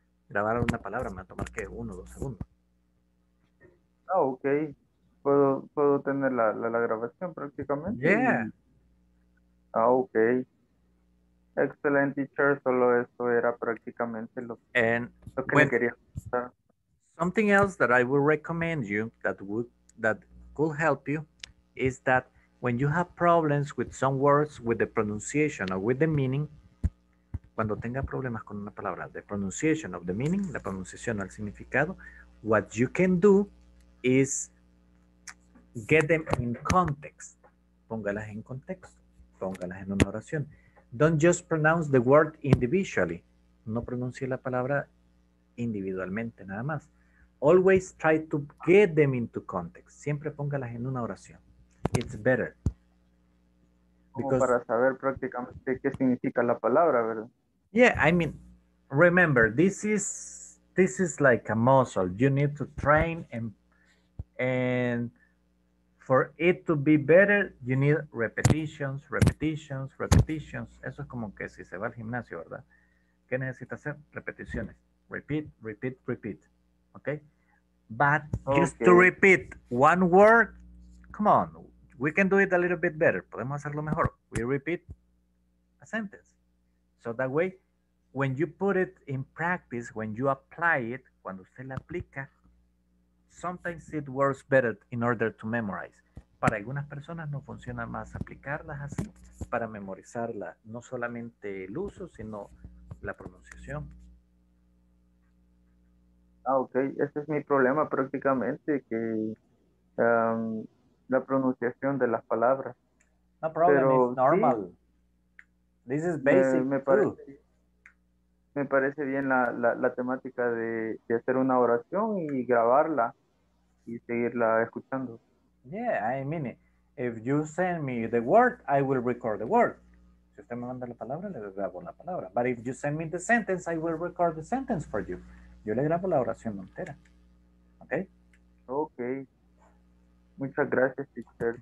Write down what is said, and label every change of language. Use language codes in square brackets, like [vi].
[es] Grabar una palabra me va a tomar que 1 o 2 segundos. Oh, okay. Puedo tener la grabación prácticamente. [en] Yeah. Ah, okay. Excellent teacher, [es] solo eso era prácticamente lo que quería. [en] Something else that I would recommend you that could help you is that when you have problems with some words, with the pronunciation or with the meaning, [es] cuando tenga problemas con una palabra, [en] the pronunciation of the meaning, [es] la pronunciación o el significado, [en] what you can do is get them in context. [es] Póngalas en contexto, póngalas en una oración. [en] Don't just pronounce the word individually. [es] No pronuncie la palabra individualmente, nada más. [en] Always try to get them into context. [es] Siempre póngalas en una oración. [en] It's better. [es] Because, para saber prácticamente qué significa la palabra, ¿verdad? [en] Yeah, I mean, remember, this is like a muscle. You need to train and for it to be better, you need repetitions, repetitions, repetitions. [es] Eso es como que si se va al gimnasio, ¿verdad? ¿Qué necesita hacer? Repeticiones. [en] Repeat, repeat, repeat. Okay? But just okay. To repeat one word, come on. We can do it a little bit better. [es] Podemos hacerlo mejor. [en] We repeat a sentence. So that way, when you put it in practice, when you apply it, [es] cuando usted la aplica, [en] sometimes it works better in order to memorize. [es] Para algunas personas no funciona más aplicarlas así para memorizarla, no solamente el uso, sino la pronunciación. Ah, ok. Ese es mi problema prácticamente, que la pronunciación de las palabras. [en] No problem, pero, it's normal. Sí. This is basic. [es] Me parece bien la temática de hacer una oración y grabarla y seguirla escuchando. [en] Yeah, I mean it. If you send me the word, I will record the word. [es] Si usted me manda la palabra, le grabo la palabra. [en] But if you send me the sentence, I will record the sentence for you. [es] Yo le grabo la oración entera. Okay? Okay. Muchas gracias, teacher.